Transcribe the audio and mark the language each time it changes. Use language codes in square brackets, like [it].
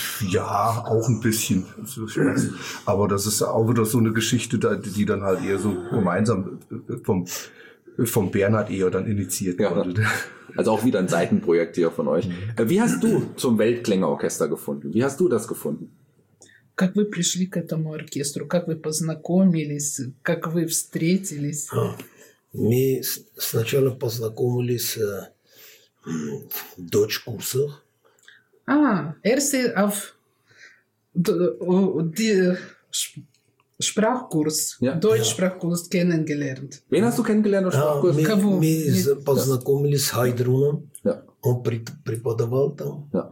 [de] Ja, auch ein bisschen. Aber das ist auch wieder so eine Geschichte, die dann halt eher so gemeinsam vom Bernhard eher dann initiiert wurde. Also auch wieder ein Seitenprojekt hier von euch. Wie hast du zum Weltklängeorchester gefunden? Wie hast du das gefunden? [ru] Как вы пришли к этому оркестру? Как вы познакомились? Как вы встретились? Мы сначала познакомились дочь курса. [de] А, erste auf die Sprachkurs, Deutschsprachkurs kennengelernt. Wen hast du kennengelernt auf Sprachkurs? [ru] Wir познакомились с Heidrunem und преподавал там.